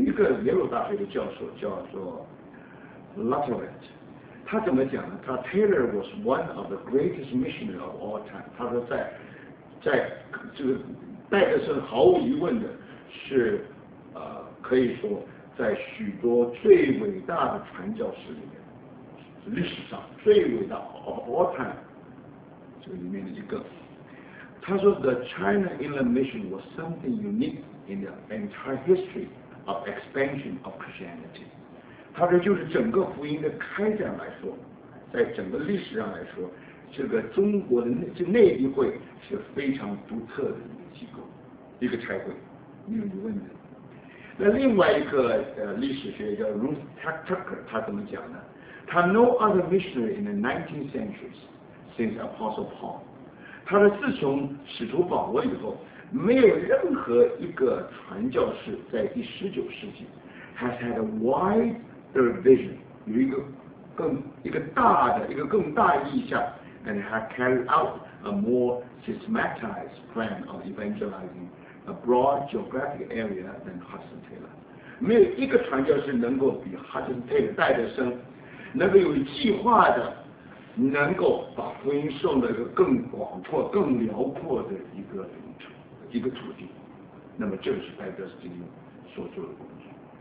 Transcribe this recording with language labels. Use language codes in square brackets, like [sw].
[zh] 一个耶鲁大学的教授叫做 Lutterett， 他怎么讲呢？ [en] 他 Taylor was one of the greatest missionary of all time。 [zh] 他说在这个戴德生毫无疑问的是可以说在许多最伟大的传教士里面，历史上最伟大 [en] of all time [zh] 这里面的一个。他说 [en] The China Inland Mission was something unique in the entire history of expansion of Christianity。 [zh] 他说就是整个福音的开展来说，在整个历史上来说，这个中国的内地会是非常独特的一个机构，一个差会，没有疑问的。那另外一个历史学家 Ruth Tucker， 他怎么讲呢？ [en] 他 no other missionary in the 19th century since Apostle Paul。 [zh] 他说自从使徒保罗以后，没有任何一个传教士在第十九世纪 [en] has had a wider vision， [zh] 有一个更一个大的一个更大意向 [en] ，and had carried out a more systematized plan of evangelizing a broad geographic area than Hudson Taylor。 [zh] 没有一个传教士能够比哈顿·泰勒戴德生能够有计划的能够把福音送到一个更广阔更辽阔的一个领土一个土地，那么这是戴德斯丁所做的工作。